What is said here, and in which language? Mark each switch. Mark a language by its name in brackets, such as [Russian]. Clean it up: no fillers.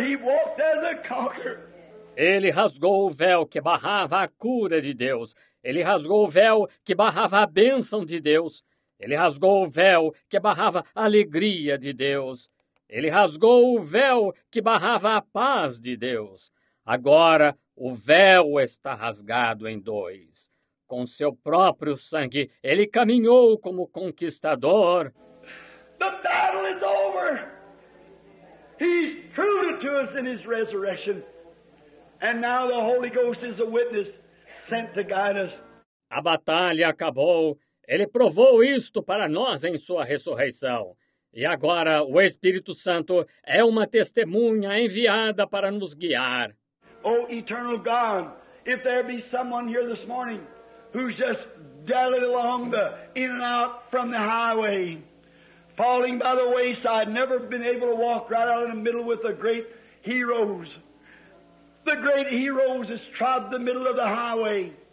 [English] He walked as a conqueror. [Portuguese] Ele rasgou o véu que barrava a cura de Deus. Ele rasgou o véu que barrava a bênção de Deus. Ele rasgou o véu que barrava a alegria de Deus. Ele rasgou o véu que barrava a paz de Deus. Agora o véu está rasgado em dois. Com seu próprio sangue, ele caminhou como conquistador. [English] The battle is over. He's proven to us in his resurrection. And now the Holy Ghost is a witness sent to guide us. [Portuguese] A batalha acabou. Ele provou isto para nós em sua ressurreição. E agora o Espírito Santo é uma testemunha enviada para nos guiar. [English] Oh, eternal God, if there be someone here this morning who's just dallying along the in and out from the highway, falling by the wayside, never been able to walk right out in the middle with the great heroes. The great heroes has trod the middle of the highway.